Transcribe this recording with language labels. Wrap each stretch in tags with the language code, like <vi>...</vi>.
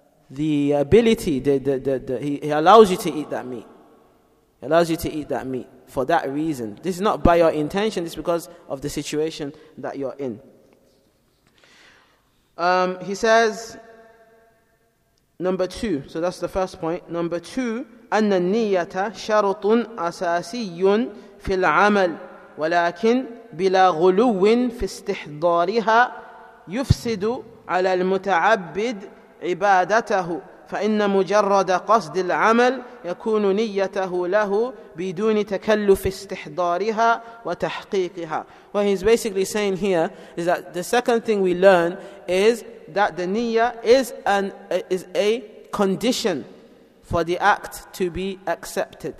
<en>the ability, he allows you to eat that meat. He allows you to eat that meat for that reason. This is not by your intention, it's because of the situation that you're in. He says, number two, so that's the first point. Number two,</en> <ar>أن النية شرط أساسي في العمل ولكن بلا غلو في استحضارها يفسد على المتعبد عبادته فإن مجرد قصد العمل يكون نيته له بدون تكلف استحضارها وتحقيقها.</ar> <en>What he's basically saying here is that the second thing we learn is that the niyyah is a condition for the act to be accepted.</en>